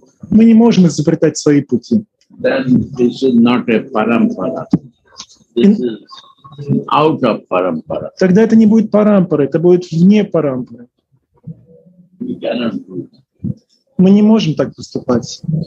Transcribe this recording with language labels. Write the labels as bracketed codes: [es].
[ru] Мы не можем изобретать свои пути. [en] Then this is not a parampara. This is out of parampara. [ru] Тогда это не будет парампара, это будет вне парампары. [en] We cannot do it. [ru] Мы не можем так поступать.